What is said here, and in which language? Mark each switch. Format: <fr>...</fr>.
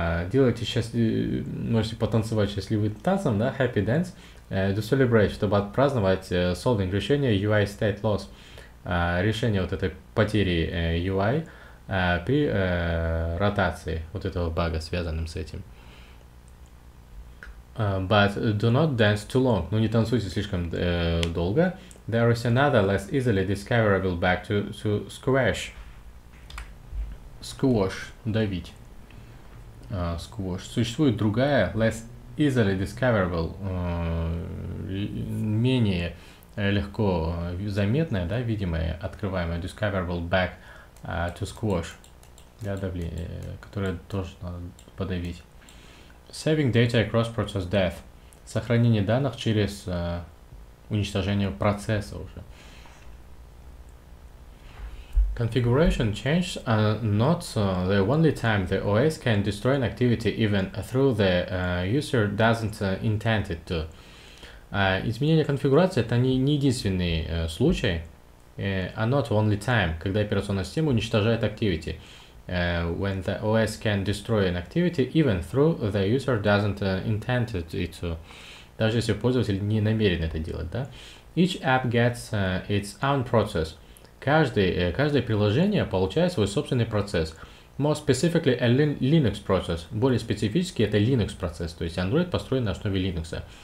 <ru>Делайте можете потанцевать счастливым танцем, да,</ru> <en>happy dance, to celebrate,</en> <ru>чтобы отпраздновать solving решение UI state loss, решение вот этой потери UI при ротации вот этого бага, связанным с этим.</ru> <en>But do not dance too long.</en> <ru>Ну, не танцуйте слишком долго.</ru> <en>There is another less easily discoverable bug to squash.</en> <ru>Squash. Давить. Squash. Существует другая</ru> <en>less easily discoverable.</en> <ru>Менее легко заметная, да, видимая, открываемая</ru> <en>discoverable bug to squash.</en> <ru>Для давления, которое тоже надо подавить.</ru> <en>Saving data across process death.</en> <ru>Сохранение данных через уничтожение процесса уже.</ru> <en>Configuration changes are not the only time the OS can destroy an activity even through the user doesn't intend it to.</en> <ru>Изменение конфигурации это не единственный случай.</ru> <en>Are not only time,</en> <ru>когда операционная система уничтожает activity.</ru> <en>When the OS can destroy an activity even though the user doesn't intend it to.</en> <ru>Даже если пользователь не намерен это делать, да?</ru> <en>Each app gets its own process.</en> <ru>Каждое приложение получает свой собственный процесс.</ru> <en>More specifically, a Linux process.</en> <ru>Более специфически, это Linux процесс. То есть Android построен на основе Linux.</ru>